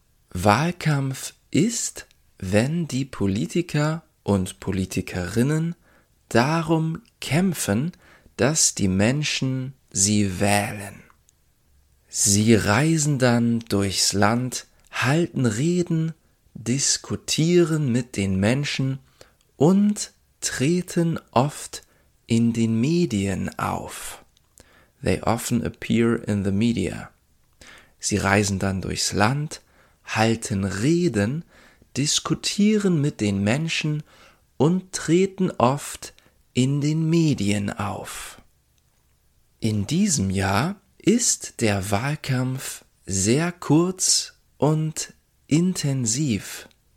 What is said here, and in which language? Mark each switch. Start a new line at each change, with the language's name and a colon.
German: Wahlkampf ist, wenn die Politiker und Politikerinnen darum kämpfen, dass die Menschen sie wählen. Sie reisen dann durchs Land, halten Reden, diskutieren mit den Menschen und treten oft in den Medien auf.
English: They often appear in the media.
German: Sie reisen dann durchs Land, halten Reden, diskutieren mit den Menschen und treten oft in den Medien auf. In diesem Jahr ist der Wahlkampf sehr kurz und intensiv.